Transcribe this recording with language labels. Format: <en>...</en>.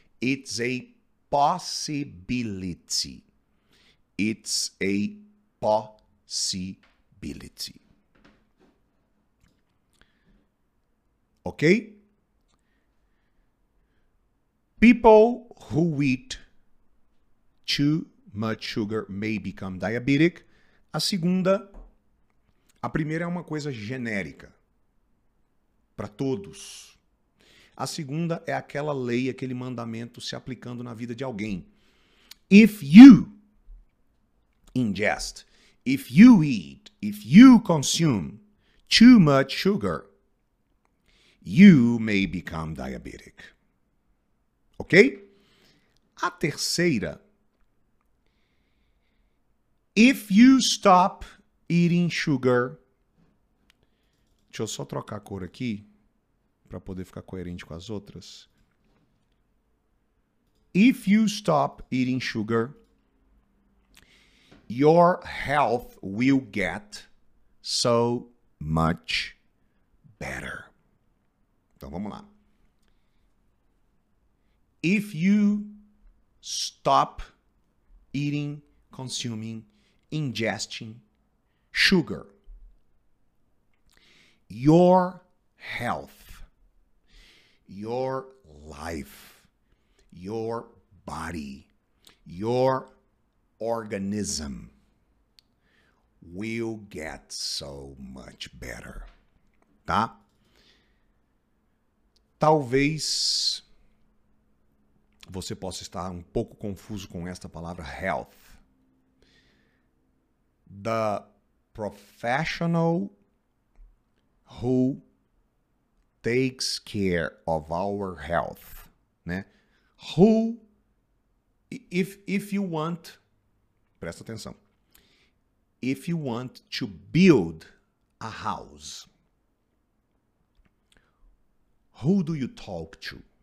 <en>It's a possibility. It's a possibility. Okay? People who eat too much sugar may become diabetic.</en> <pt>A primeira é uma coisa genérica para todos. A segunda é aquela lei, aquele mandamento se aplicando na vida de alguém.</pt> <en>If you consume too much sugar, you may become diabetic.</en> <pt>Ok? A terceira.</pt> <en>If you stop eating sugar.</en> <pt>Deixa eu só trocar a cor aqui para poder ficar coerente com as outras.</pt> <en>If you stop eating sugar, your health will get so much better.</en> <pt>Então vamos lá.</pt> <en>If you stop eating, consuming, ingesting sugar, your health, your life, your body, your organism will get so much better, tá?</en> <pt>Talvez você possa estar um pouco confuso com esta palavra health.</pt> <en>The professional who takes care of our health né? Who, if you want,</en> <pt>presta atenção,</pt> <en>if you want to build a house, who do you talk to?</en>